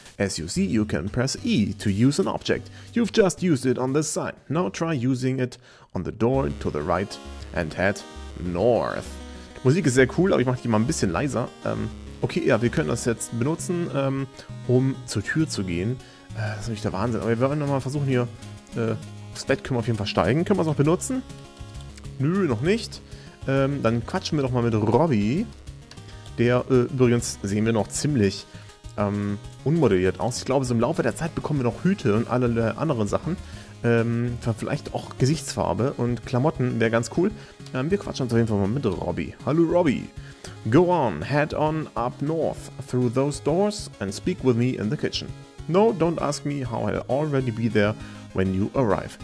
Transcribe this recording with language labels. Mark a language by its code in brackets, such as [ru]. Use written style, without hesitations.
[en] As you see, you can press E to use an object. You've just used it on this sign. Now try using it on the door to the right and head north. [de] Musik ist sehr cool, aber ich mache die mal ein bisschen leiser. Okay, ja, wir können das jetzt benutzen, um zur Tür zu gehen. Das ist nämlich der Wahnsinn. Aber wir wollen nochmal versuchen hier, aufs Bett können wir auf jeden Fall steigen. Können wir es noch benutzen? Nö, noch nicht. Dann quatschen wir doch mal mit Robby. Der, übrigens sehen wir noch ziemlich unmodelliert aus. Ich glaube, so im Laufe der Zeit bekommen wir noch Hüte und alle anderen Sachen. Vielleicht auch Gesichtsfarbe und Klamotten wäre ganz cool. Wir quatschen uns auf jeden Fall mal mit Robby. Hallo Robby. [en] Go on, head on up north through those doors and speak with me in the kitchen. No, don't ask me how I'll already be there when you arrive.